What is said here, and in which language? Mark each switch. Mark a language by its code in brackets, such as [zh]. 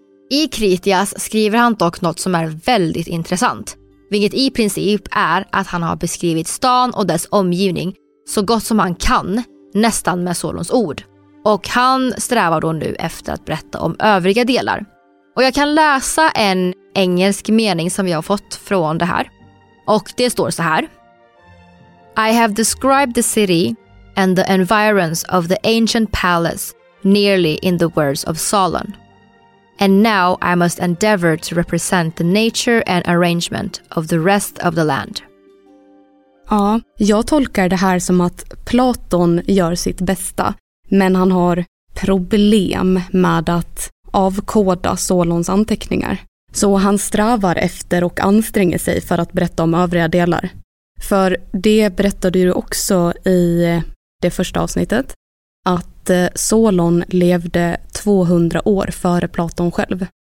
[sv] I Kritias skriver han dock något som är väldigt intressant, vilket i princip är att han har beskrivit stan och dess omgivning så gott som han kan, nästan med Solons ord. Och han strävar då nu efter att berätta om övriga delar. Och jag kan läsa en engelsk mening som vi har fått från det här. Och det står så här: [en] I have described the city and the environs of the ancient palace nearly in the words of Solon. And now I must endeavor to represent the nature and arrangement of the rest of the land. [sv] Ja, jag tolkar det här som att Platon gör sitt bästa, men han har problem med att avkoda Solons anteckningar. Så han strävar efter och anstränger sig för att berätta om övriga delar. För det berättade du också i det första avsnittet, att Solon levde 200 år före Platon själv.